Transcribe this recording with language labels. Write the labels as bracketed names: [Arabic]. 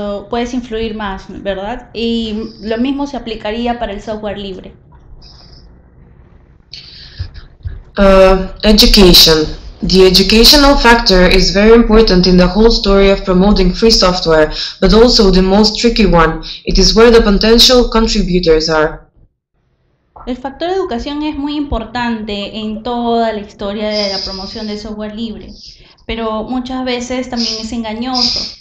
[Spanish] Puedes influir más, ¿verdad? Y lo mismo se aplicaría para el software libre. [English] Education. The educational factor is very important in the whole story of promoting free software, but also the most tricky one. It is where the potential contributors are. [Spanish] El factor de educación es muy importante en toda la historia de la promoción del software libre, pero muchas veces también es engañoso.